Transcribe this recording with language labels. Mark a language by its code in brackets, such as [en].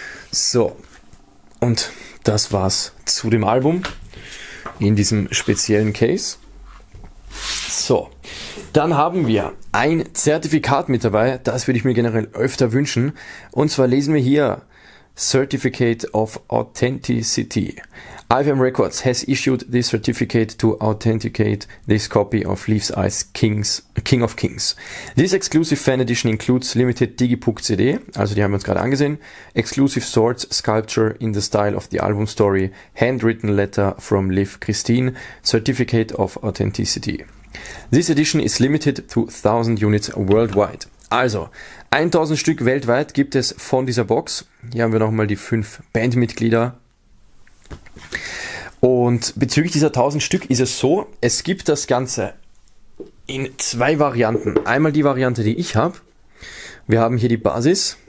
[de] So, und das war's zu dem Album in diesem speziellen Case. So, dann haben wir ein Zertifikat mit dabei, das würde ich mir generell öfter wünschen. Und zwar lesen wir hier [en] Certificate of Authenticity. IFM Records has issued this certificate to authenticate this copy of Leaves Eyes King of Kings. This exclusive fan edition includes limited Digipuk CD, [de] also die haben wir uns gerade angesehen, [en] exclusive swords sculpture in the style of the album story, handwritten letter from Liv Christine, certificate of authenticity. This edition is limited to 1000 units worldwide. [de] Also, 1000 Stück weltweit gibt es von dieser Box. Hier haben wir nochmal die 5 Bandmitglieder. Und bezüglich dieser 1000 Stück ist es so, es gibt das Ganze in zwei Varianten. Einmal die Variante, die ich habe. Wir haben hier die Basis.